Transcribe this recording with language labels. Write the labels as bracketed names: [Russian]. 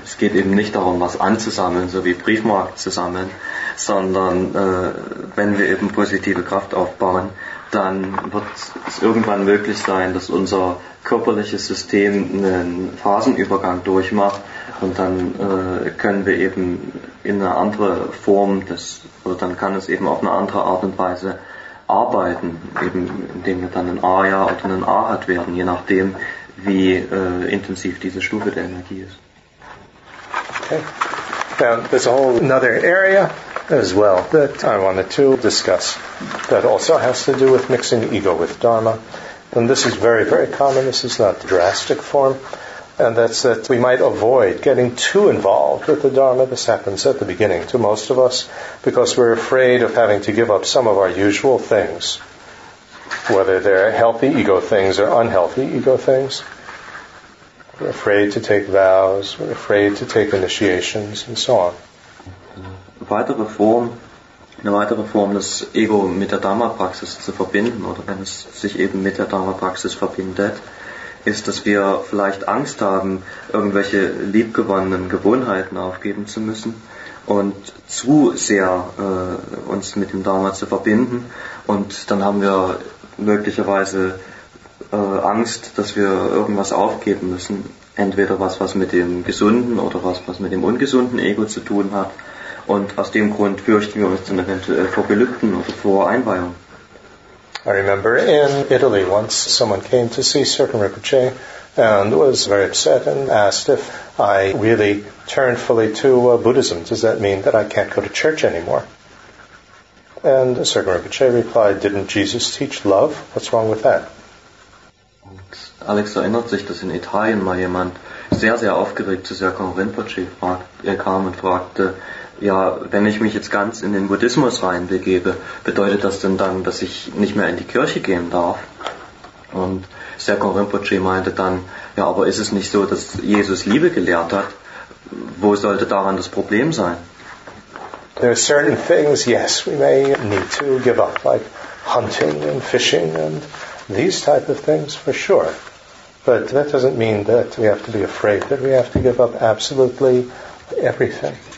[German] Es geht eben nicht darum, was anzusammeln, so wie Briefmarken zu sammeln, sondern wenn wir eben positive Kraft aufbauen, dann wird es irgendwann möglich sein, dass unser körperliches System einen Phasenübergang durchmacht, und dann können wir eben in eine andere Form, dann kann es eben auf eine andere Art und Weise arbeiten, eben indem wir dann ein Arya oder ein Arhat werden, je nachdem, wie intensiv diese Stufe der Energie ist. Okay. [English] Now, there's a whole another area as well that I wanted to discuss that also has to do with mixing ego with Dharma. And this is very, very common. This is not the drastic form. And that's that we might avoid getting too involved with the Dharma. This happens at the beginning to most of us because we're afraid of having to give up some of our usual things, whether they're healthy ego things or unhealthy ego things. We're afraid to take vows, we're afraid to take initiations, and so on. [German] Eine weitere Form, das Ego mit der Dharma-Praxis zu verbinden, oder wenn es sich eben mit der Dharma-Praxis verbindet, ist, dass wir vielleicht Angst haben, irgendwelche liebgewonnenen Gewohnheiten aufgeben zu müssen, und zu sehr uns mit dem Dharma zu verbinden. Und dann haben wir möglicherweise Angst, dass wir irgendwas aufgeben müssen. Entweder was mit dem gesunden oder was mit dem ungesunden Ego zu tun hat. Und aus dem Grund fürchten wir uns dann eventuell vor Gelübden oder vor Einweihung. [English] I remember in Italy once someone came to see Sirkin Rinpoche and was very upset and asked if I really turned fully to Buddhism. Does that mean that I can't go to church anymore? And Sirkin Rinpoche replied, didn't Jesus teach love? What's wrong with that? [German] Alex erinnert sich, dass in Italien mal jemand sehr, sehr aufgeregt zu Sirkin Rinpoche kam und fragte, ja, wenn ich mich jetzt ganz in den Buddhismus reinbegebe, bedeutet das denn dann, dass ich nicht mehr in die Kirche gehen darf? Und Sirkin Rinpoche meinte dann, ja, aber ist es nicht so, dass Jesus Liebe gelehrt hat? Wo sollte daran das Problem sein? [English] There are certain things, yes, we may need to give up, like hunting and fishing and these type of things, for sure. But that doesn't mean that we have to be afraid, that we have to give up absolutely everything.